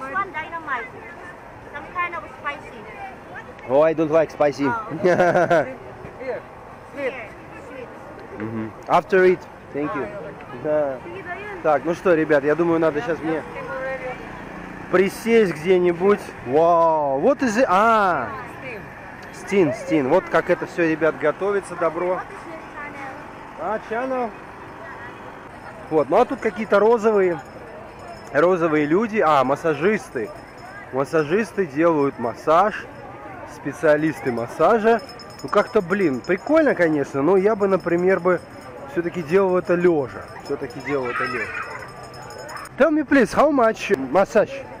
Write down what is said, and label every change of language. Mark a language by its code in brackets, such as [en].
[en] This one dynamite. Some kind of spicy. Oh, I don't like spicy. Here. Sweet. Mm-hmm. After it, thank you. [ru] Так, ну что, ребят, я думаю, надо сейчас мне присесть где-нибудь. [en] Вау, what is it? Стин, стин. [ru] Вот как это все, ребят, готовится, добро. А, чано. Вот, ну а тут какие-то розовые люди. А, массажисты. Массажисты делают массаж. Специалисты массажа. Ну как-то, блин, прикольно, конечно, но я бы, например, бы все-таки делал это лежа. Все-таки делал это лежа. [en] Tell me, please, how much massage?